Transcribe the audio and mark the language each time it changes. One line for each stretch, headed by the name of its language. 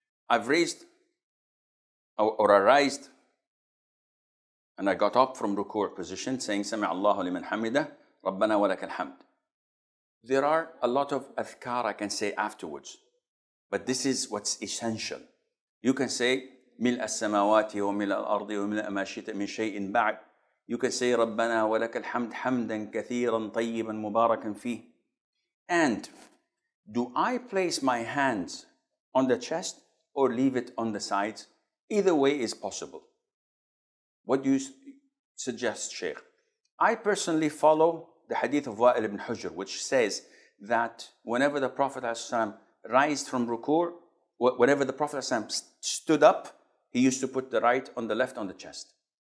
English: I've raised or arised and I got up from ruku' position saying,
Arabic: سَمِعَ اللَّهُ لِمَنْ حَمِدَهُ رَبَّنَا وَلَكَ الْحَمْدُ.
English: There are a lot of adhkar I can say afterwards, but this is what's essential. You can say,
Arabic: مِلْأَ السَّمَوَاتِ وَمِلْأَ الْأَرْضِ وَمِلْأَ مَا شِئْتَ مِنْ شَيْءٍ بَعْدٍ.
English: You can say,
Arabic: رَبَّنَا وَلَكَ الْحَمْدُ حَمْدًا كَثِيرًا طَيِّبًا مُبَارَكًا فِيهِ.
English: And do I place my hands on the chest or leave it on the sides? Either way is possible. What do you suggest, Shaykh? I personally follow the hadith of Wa'il ibn Hujr, which says that whenever the Prophet ﷺ rised from ruku', whenever the Prophet ﷺ stood up, he used to put the right on the left on the chest.